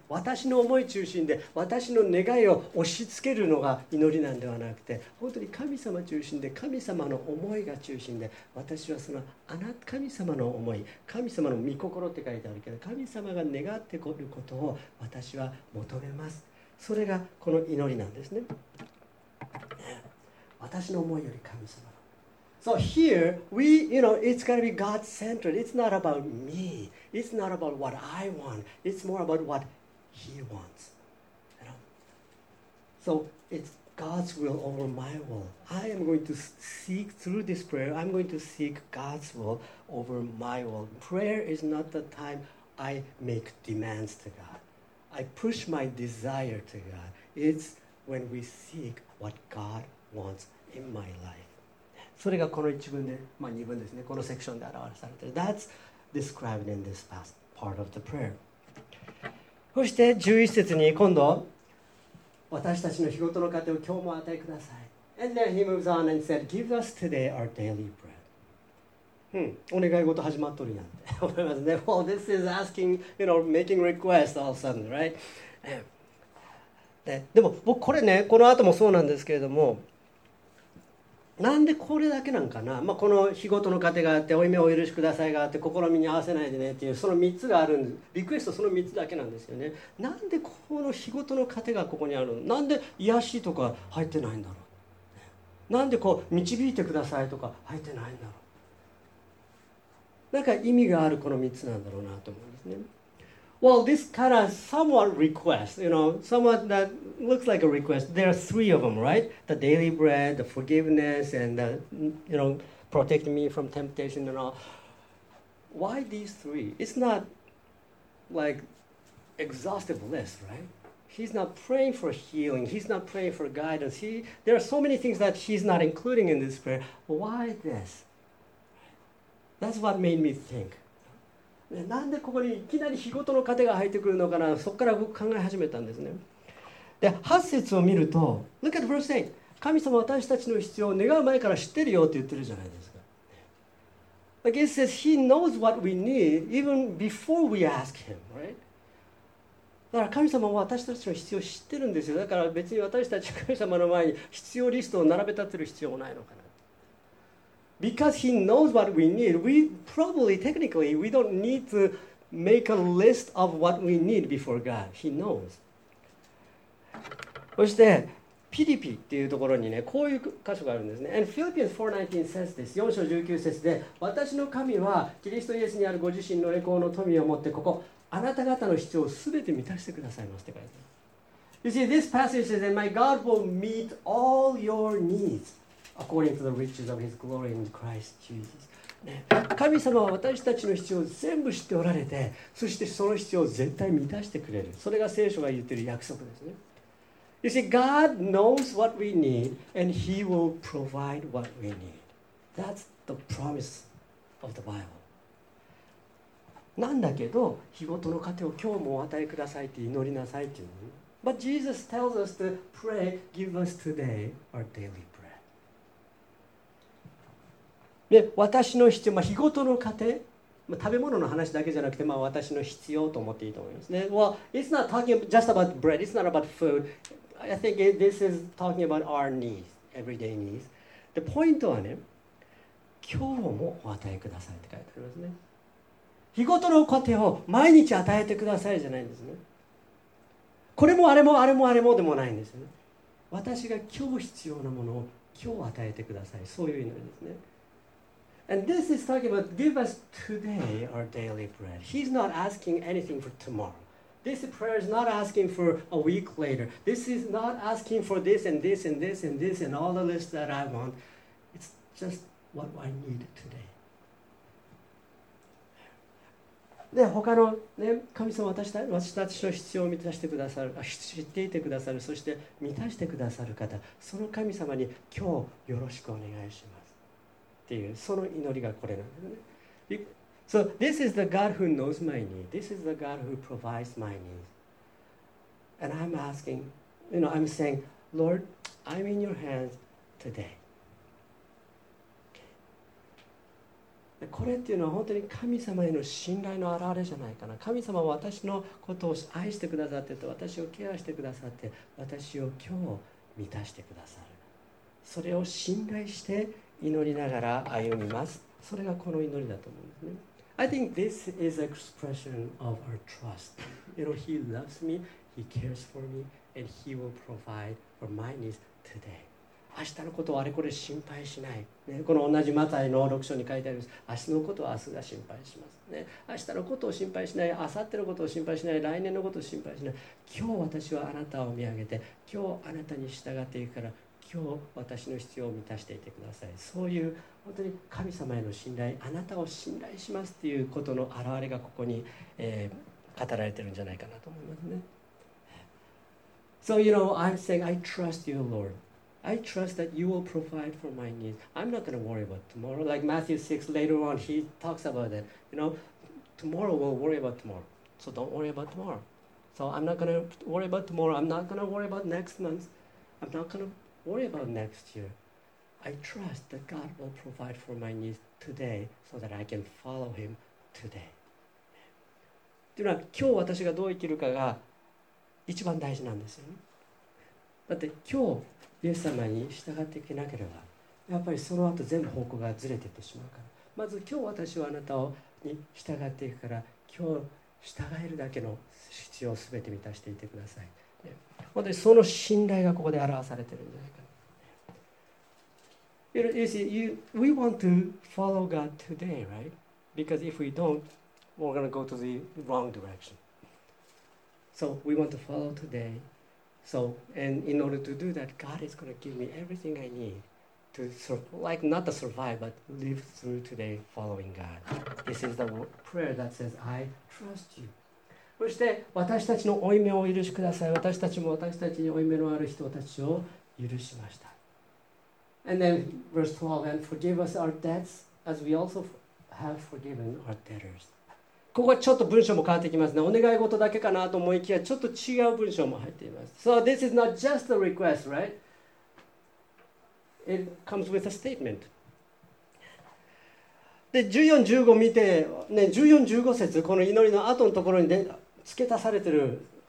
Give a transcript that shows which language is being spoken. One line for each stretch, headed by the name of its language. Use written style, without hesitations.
Japanese: 私の思い中心で、私の願いを押し付けるのが祈りなんではなくて、本当に神様中心で、神様の思いが中心で、私はその神様の思い、神様の御心って書いてあるけど、神様が願ってくることを私は求めます。それがこの祈りなんですね。私の思いより神様。
English: So here, we, you know, it's going to be God-centered. It's not about me. It's not about what I want. It's more about what He wants. You know? So it's God's will over my will. I am going to seek through this prayer. I'm going to seek God's will over my will. Prayer is not the time I make demands to God. I push my desire to God. It's when we seek what God wants in my life.
Japanese: それがこの1文で、まあ、2文ですね、このセクションで表されている。
English: That's described in this past part of the prayer.
Japanese: そして11節に、今度、私たちの日ごとの糧を今日も与えください。
English: And then he moves on and said, Give us today our daily bread.、
Japanese: うん、お願い事始まっとるやんって思いますね。
English: Well, this is asking, you know, making requests all of a sudden, right?
Japanese: でも、僕これね、この後もそうなんですけれども、なんでこれだけなんかな、まあ、この日ごとの糧があって、負い目をお許しくださいがあって、試みに合わせないでねっていう、その3つがあるんです。リクエストその3つだけなんですよね。なんでこの日ごとの糧がここにあるの、なんで癒しとか入ってないんだろう、なんでこう導いてくださいとか入ってないんだろう、なんか意味があるこの3つなんだろうなと思うんですね。
English: Well, this kind of somewhat request, you know, somewhat that looks like a request. There are three of them, right? The daily bread, the forgiveness, and the, you know, protect me from temptation and all. Why these three? It's not like exhaustive list, right? He's not praying for healing. He's not praying for guidance. There are so many things that he's not including in this prayer. Why this? That's what made me think.
Japanese: なんでここにいきなり日ごとの糧が入ってくるのかな、そこから僕考え始めたんですね。で、8節を見ると、
English: Look at verse 8.
Japanese: 神様は私たちの必要を願う前から知ってるよって言ってるじゃないですか。
English: Like it says, He knows what we need even before we ask Him, right?
Japanese: だから神様も私たちの必要を知ってるんですよ。だから別に私たち神様の前に必要リストを並べ立てる必要もないのかな。
English: Because he knows what we need, we probably technically we don't need to make a list of what we need before God. He knows.
Japanese: そしてフィリピっていうところにね、こういう箇所があるんですね。
English: And Philippians 4:19 says this.
Japanese: 4章19節で、私の神はキリストイエスにあるご自身の栄光の富をもってここ、あなた方の必要をすべて満たしてくださいますって書いてある。
English: You see, this passage says, and my God will meet all your needs according to the riches of his glory in Christ Jesus.、
Japanese: ね、神様は私たちの必要を全部知っておられて、そしてその必要を絶対満たしてくれる。それが聖書が言っている約束ですね。
English: You see, God knows what we need, and he will provide what we need. That's the promise of the Bible.
Japanese: なんだけど、日ごとの糧を今日もお与えくださいって祈りなさいっていうの。
English: But Jesus tells us to pray, give us today our daily bread.
Japanese: で、私の必要、まあ、日ごとの糧、まあ、食べ物の話だけじゃなくて、まあ、私の必要と思っていいと思いますね。
English: Well, it's not talking just about bread, it's not about food. I think this is talking about our needs, everyday needs. The point
Japanese: はね、今日もお与えくださいって書いてありますね。日ごとの糧を毎日与えてくださいじゃないんですね。これもあれもあれもあれもでもないんですよね。私が今日必要なものを今日与えてください。そういう意味ですね。
English: And this is talking about give us today our daily bread. He's not asking anything for tomorrow. This prayer is not asking for a week later. This is not asking for this and this and this and this and all the list that I want. It's just what I need today.
Japanese: で他の、ね、神様私たちの必要を満たしてくださる、知っていてくださる、そして満たしてくださる方、その神様に今日よろしくお願いしますっていう、その祈りがこれなんですね。
English: So this is the God who knows my need. This is the God who provides my needs. And I'm asking, you know, I'm saying, Lord, I'm in your hands today.
Japanese: これっていうのは本当に神様への信頼の表れじゃないかな。神様は私のことを愛してくださってと、私をケアしてくださって、私を今日満たしてくださる、それを信頼して祈りながら歩みます。それがこの祈りだと思うんですね。
English: I think this is an expression of our trust. You know, he loves me, he cares for me, and he will provide for my needs today.
Japanese: 明日のことをあれこれ心配しない、ね、この同じマタイの6章に書いてあります。明日のことは明日が心配します、ね、明日のことを心配しない、明後日のことを心配しない、来年のことを心配しない。今日私はあなたを見上げて、今日あなたに従っていくから、今日私の必要を満たしていてください。そういう本当に神様への信頼、あなたを信頼しますということの表れがここに、語られてるんじゃないかなと思いますね。
English: So you know, I'm saying I trust you, LordI trust that you will provide for my needs. I'm not going to worry about tomorrow. Like Matthew 6, later on, he talks about that. You know, tomorrow we'll worry about tomorrow. So don't worry about tomorrow. So I'm not going to worry about tomorrow. I'm not going to worry about next month. I'm not going to worry about next year. I trust that God will provide for my needs today so that I can follow him today.
Japanese: というのは、今日私がどう生きるかが一番大事なんですよね。だって今日イエス様に従っていけなければ、やっぱりその後全部方向がずれていってしまうから、まず今日私はあなたに従っていくから、今日従えるだけの必要を全て満たしていてください。本当にその信頼がここで表されているんじゃないか。
English: You see, we want to follow God today, right? Because if we don't, we're going to go to the wrong direction. So we want to follow todaySo, and in order to do that, God is going to give me everything I need to survive, like not to survive, but live through today following God. This is the prayer that says, I trust you.
Japanese: そして私たちの負い目を許しください。私たちも私たちに負い目のある人たちを許しました。
English: And then verse 12, and forgive us our debts as we also have forgiven our debtors.
Japanese: ここはちょっと文章も変わってきますね。お願い事だけかなと思いきや、ちょっと違う文章も入っています。
English: So this is not just a request, right? It comes with a statement.
Japanese: で、14、15見て、ね、14、15節、この祈りの後のところに、ね、付け足されてる